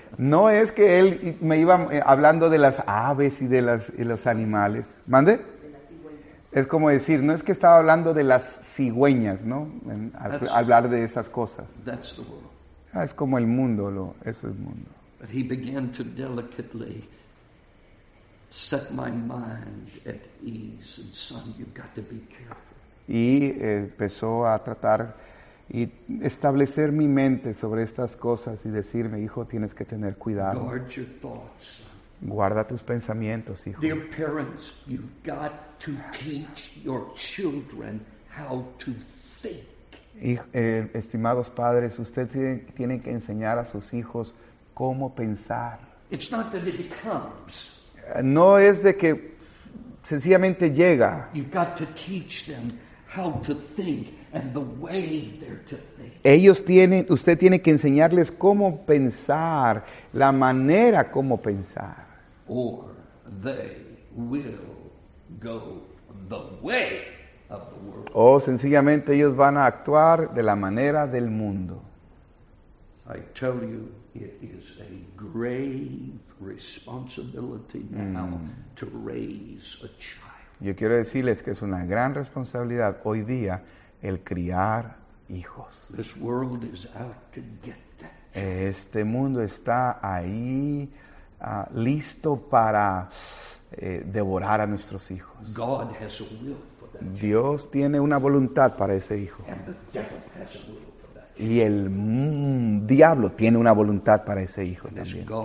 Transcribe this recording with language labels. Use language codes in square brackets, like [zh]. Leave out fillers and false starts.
[es] No es que él me iba hablando de las aves y de las y los animales. ¿Mande? Es como decir, no es que estaba hablando de las cigüeñas, ¿no? Al hablar de esas cosas. [en] That's the world. [es] Ah, es como el mundo, eso es el mundo. [en] But he began to delicately set my mind at ease. And son, you've got to be careful. [es] Y empezó a tratar y establecer mi mente sobre estas cosas y decirme, hijo, tienes que tener cuidado. [en] Guard your thoughts. [es] Guarda tus pensamientos, hijo. [en] Dear parents, you've got to teach your children how to think. [es] Estimados padres, usted tiene que enseñar a sus hijos cómo pensar. [en] It's not that it becomes. [es] No es de que sencillamente llega. [en] You've got to teach them how to think and the way they're to think. [es] Usted tiene que enseñarles cómo pensar, la manera cómo pensar. [en] Or they will go the way of the world. [es] O sencillamente ellos van a actuar de la manera del mundo. [en] I tell you, it is a grave responsibility now to raise a child. [es] Yo quiero decirles que es una gran responsabilidad hoy día el criar hijos. [en] This world is out to get that child. [es] Este mundo está ahí listo para devorar a nuestros hijos. [en] God has a will for that. [es] Dios tiene una voluntad para ese hijo. [en] And the devil has a will. [es] Y el diablo tiene una voluntad para ese hijo también.